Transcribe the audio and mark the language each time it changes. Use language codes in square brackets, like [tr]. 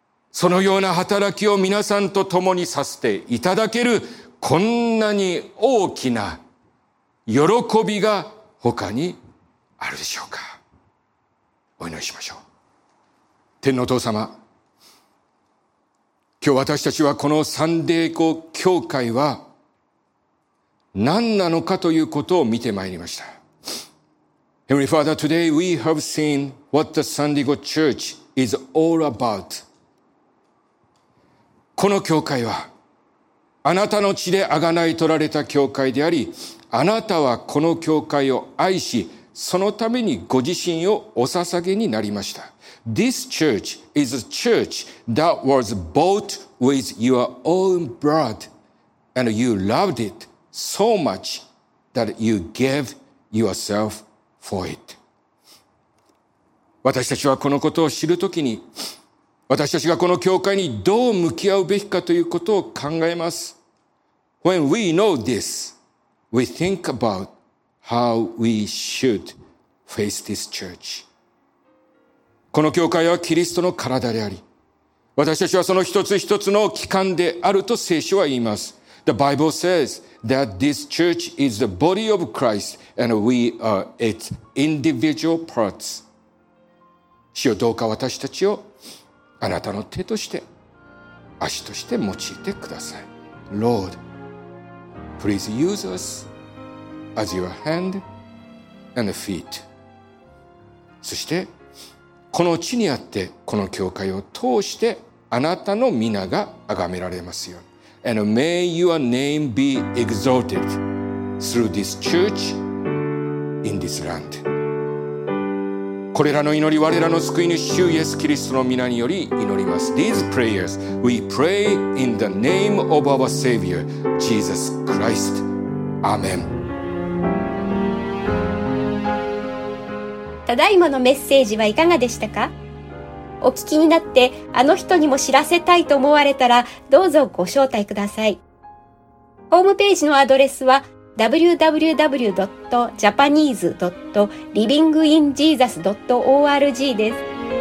[ja] そのような働きを皆さんと共にさせていただける、こんなに大きな喜びが他にあるでしょうか。お祈りしましょう。天のお父様、今日私たちはこのサンデーコ教会は何なのかということを見てまいりました。 [en] Heavenly Father, today we have seen what the San Diego Churchis all about。 [ja] この教会はあなたの血で贖い取られた教会であり、あなたはこの教会を愛し、そのためにご自身をお捧げになりました。 [en] This church is a church that was bought with your own blood and you loved it so much that you gave yourself for it。 [ja] 私たちはこのことを知るときに、私たちがこの教会にどう向き合うべきかということを考えます。 [en] When we know this, we think about how we should face this church. [ja] この教会はキリストの体であり、私たちはその一つ一つの器官であると聖書は言います。 [en] The Bible says that this church is the body of Christ and we are its individual parts. [ja] 主よ、どうか私たちをあなたの手として、足として用いてください。 [en] Lord, please use us as your hand and feet. [ja] そして、この地にあって、この教会を通して、あなたの皆が崇められますように。 [en] And may your name be exalted through this church in this land. [ja] これらの祈り、我らの救い主イエス・キリストの皆により祈ります。 [en] These prayers we pray in the name of our Savior, Jesus Christ. Amen. [ja] ただいまのメッセージはいかがでしたか？お聞きになって、あの人にも知らせたいと思われたら、どうぞご招待ください。ホームページのアドレスは、www.japanese.livinginjesus.org です。